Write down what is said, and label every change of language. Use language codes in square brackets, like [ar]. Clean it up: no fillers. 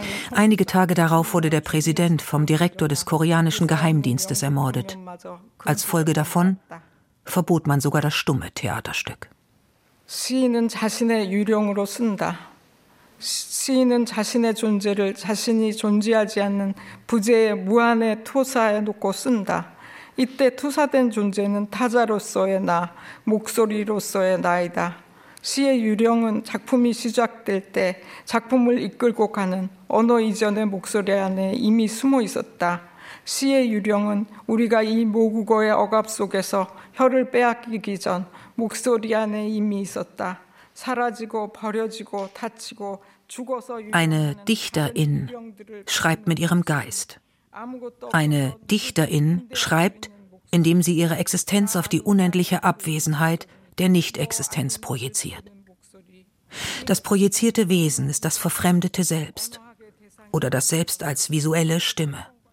[de] Einige Tage darauf wurde der Präsident vom Direktor des koreanischen Geheimdienstes ermordet. Als Folge davon verbot man sogar das stumme Theaterstück. [ko] 시인은 자신의 유령으로 쓴다. 시인은 자신의 존재를 자신이 존재하지 않는 부재의 무한의 투사에 놓고 쓴다. 이때 투사된 존재는 타자로서의 나, 목소리로서의 나이다. 시의 유령은 작품이 시작될 때 작품을 이끌고 가는 언어 이전의 목소리 안에 이미 숨어 있었다. 시의 유령은 우리가 이 모국어의 억압 속에서 혀를 빼앗기기 전 목소리 안에 이미 있었다. 사라지고 버려지고 다치고 죽어서 [de] Eine Dichterin schreibt mit ihrem Geist. Eine Dichterin schreibt, indem sie ihre Existenz auf die unendliche Abwesenheit der Nicht-Existenz projiziert. Das projizierte Wesen ist das verfremdete Selbst oder das Selbst als visuelle Stimme.